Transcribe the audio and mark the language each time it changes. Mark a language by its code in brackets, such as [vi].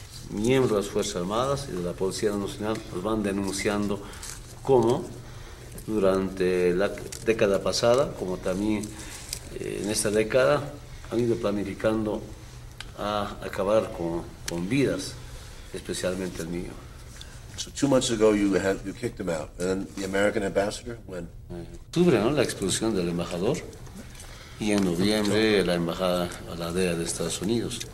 [es] Miembros de las Fuerzas Armadas y de la Policía Nacional nos van denunciando cómo durante la década pasada, como también en esta década, han ido planificando a acabar con vidas, especialmente el mío. [en] So 2 months ago you kicked him out, and then the American ambassador, when? [es] Octubre, ¿no? La expulsión del embajador. Y en noviembre la embajada a la DEA de Estados Unidos.